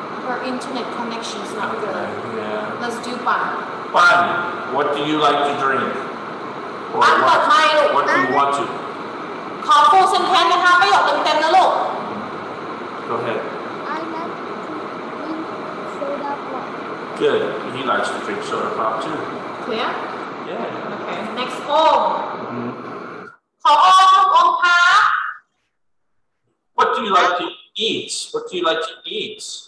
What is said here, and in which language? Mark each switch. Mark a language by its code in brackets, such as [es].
[en] Our internet connection is not good. Yeah. Let's do fun. Fun. What do you like to drink? Or what do you want to? [th] ขอ [en] full sentence [th] นะคะ ประโยคเต็มๆ นะลูก [en] Go ahead. I like to drink soda pop. Good. He likes to drink soda pop too. Clear? Yeah. Okay. Next poll. [th] ขอ ค่ะ. [en] What do you like to eat? What do you like to eat?